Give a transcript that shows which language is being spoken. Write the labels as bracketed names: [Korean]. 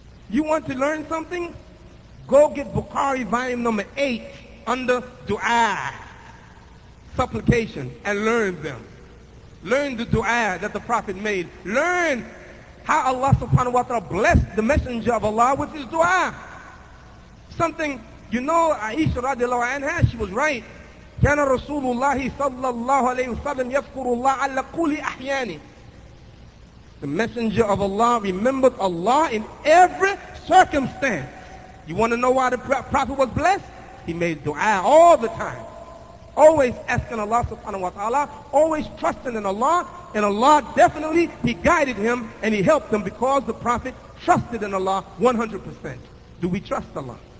[English] You want to learn something? Go get Bukhari volume number 8 under dua. Supplication and learn them. Learn the dua that the Prophet made. Learn how Allah subhanahu wa ta'ala blessed the Messenger of Allah with his dua. Something, you know, Aisha radiallahu anha, she was right. [Arabic] كان رسول الله صلى الله عليه وسلم يذكر الله على كل أحيانه. [English] The Messenger of Allah remembered Allah in every circumstance. You want to know why the Prophet was blessed? He made dua all the time. Always asking Allah subhanahu wa ta'ala, always trusting in Allah, and Allah definitely, He guided him and He helped him because the Prophet trusted in Allah 100%. Do we trust Allah?